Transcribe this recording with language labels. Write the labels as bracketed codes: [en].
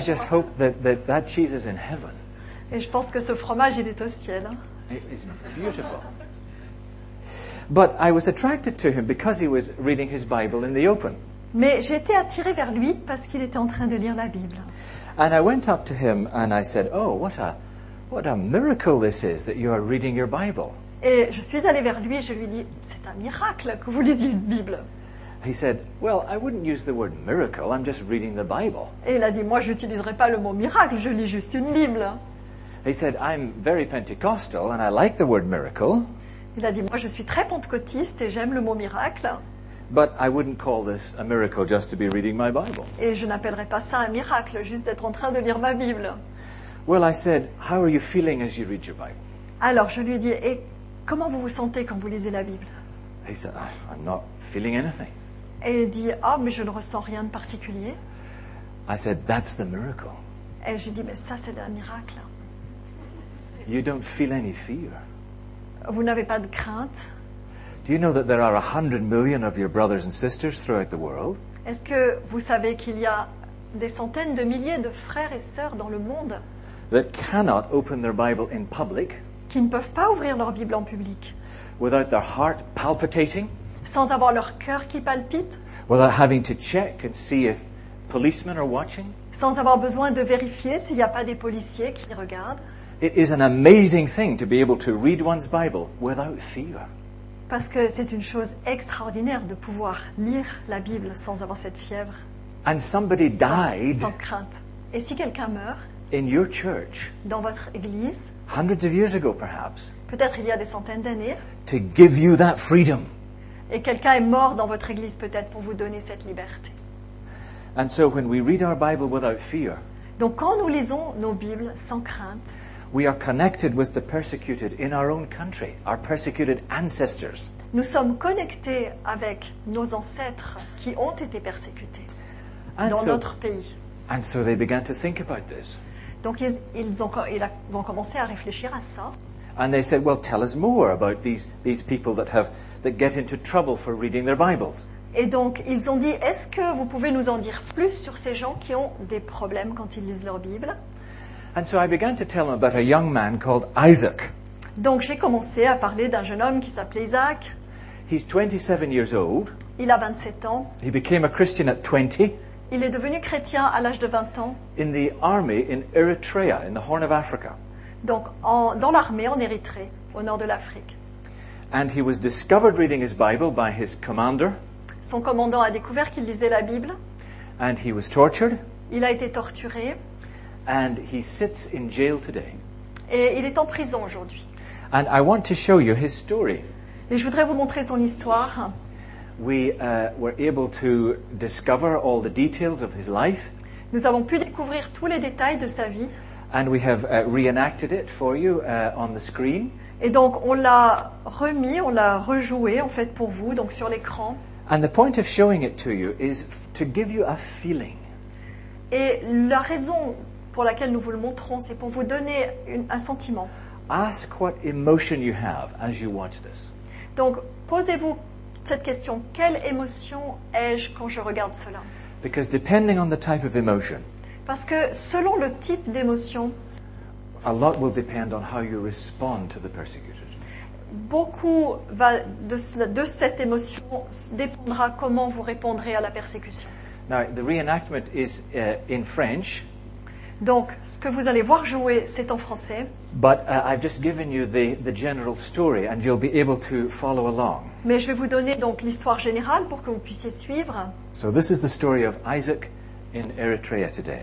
[en] I just hope that cheese is in heaven. [fr] Et je pense que ce fromage, il est au ciel. [en] It's beautiful. But I was attracted to him because he was reading his Bible in the open. [fr] Mais j'étais attirée vers lui parce qu'il était en train de lire la Bible. [en] And I went up to him and I said, "Oh, what a miracle this is that you are reading your Bible." [fr] Et je suis allée vers lui et je lui dis, "C'est un miracle que vous lisiez une Bible." [en] He said, "Well, I wouldn't use the word miracle. I'm just reading the Bible." [fr] Et il a dit, "Moi, je n'utiliserai pas le mot miracle. Je lis juste une Bible." [en] He said, "I'm very Pentecostal and I like the word miracle." [fr] Il a dit, moi je suis très pentecôtiste et j'aime le mot miracle. [en] But I wouldn't call this a miracle just to be reading my Bible. [fr] Et je n'appellerais pas ça un miracle, juste d'être en train de lire ma Bible. [en] Well, I said, how are you feeling as you read your Bible? [fr] Alors je lui ai dit, et comment vous vous sentez quand vous lisez la Bible? [en] He said, I'm not feeling anything. [fr] Et il dit, oh mais je ne ressens rien de particulier. [en] I said, that's the miracle. [fr] Et je lui ai dit, mais ça c'est un miracle. [en] You don't feel any fear. [fr] Vous n'avez pas de crainte. [en] Do you know that there are 100 million of your brothers and sisters throughout the world? [fr] Est-ce que vous savez qu'il y a des centaines de milliers de frères et sœurs dans le monde? [en] That cannot open their Bible in public. [fr] Qui ne peuvent pas ouvrir leur Bible en public. [en] Without their heart palpitating. [fr] Sans avoir leur cœur qui palpite. [en] Without having to check and see if policemen are watching. [fr] Sans avoir besoin de vérifier s'il n'y a pas des policiers qui regardent. [en] It is an amazing thing to be able to read one's Bible without fear. [fr] Parce que c'est une chose extraordinaire de pouvoir lire la Bible sans avoir cette fièvre. [en] And somebody died. [fr] Sans crainte. Et si quelqu'un meurt? [en] In your church. [fr] Dans votre église. [en] Hundreds of years ago, perhaps. [fr] Peut-être il y a des centaines d'années. [en] To give you that freedom. [fr] Et quelqu'un est mort dans votre église peut-être pour vous donner cette liberté. [en] And so when we read our Bible without fear. [fr] Donc quand nous lisons nos Bibles sans crainte. [en] We are connected with the persecuted in our own country, our persecuted ancestors. [fr] Nous sommes connectés avec nos ancêtres qui ont été persécutés [en] and [fr] dans [en] so, [fr] notre pays. [en] And so they began to think about this. [fr] Donc ils ont commencé à réfléchir à ça. [en] And they said, "Well, tell us more about these people that get into trouble for reading their Bibles." [fr] Et donc ils ont dit, "Est-ce que vous pouvez nous en dire plus sur ces gens qui ont des problèmes quand ils lisent leur Bible?" [en] And so I began to tell him about a young man called Isaac. [fr] Donc j'ai commencé à parler d'un jeune homme qui s'appelait Isaac. [en] He's 27 years old. [fr] Il a 27 ans. [en] He became a Christian at 20. [fr] Il est devenu chrétien à l'âge de 20 ans. [en] In the army in Eritrea, in the Horn of Africa. [fr] Donc dans l'armée en Érythrée, au nord de l'Afrique. [en] And he was discovered reading his Bible by his commander. [fr] Son commandant a découvert qu'il lisait la Bible. [en] And he was tortured. [fr] Il a été torturé. [en] And he sits in jail today. [fr] Et il est en prison aujourd'hui. [en] And I want to show you his story. [fr] Et je voudrais vous montrer son histoire. [en] We were able to discover all the details of his life. [fr] Nous avons pu découvrir tous les détails de sa vie. [en] And we have reenacted it for you on the screen. [fr] Et donc on l'a rejoué en fait pour vous donc sur l'écran. [en] And the point of showing it to you is to give you a feeling. [fr] Et la raison pour laquelle nous vous le montrons, c'est pour vous donner un sentiment. [en] Ask what emotion you have as you watch this. [fr] Donc, posez-vous cette question. Quelle émotion ai-je quand je regarde cela? [en] Because depending on the type of emotion, [fr] parce que selon le type d'émotion, [en] a lot will depend on how you respond to the persecuted. [fr] Beaucoup va de cette émotion dépendra comment vous répondrez à la persécution. [en] Now, the reenactment is in French. [fr] Donc, ce que vous allez voir jouer, c'est en français. [en] But I've just given you the general story, and you'll be able to follow along. [fr] Mais je vais vous donner donc l'histoire générale pour que vous puissiez suivre. [en] So this is the story of Isaac in Eritrea today.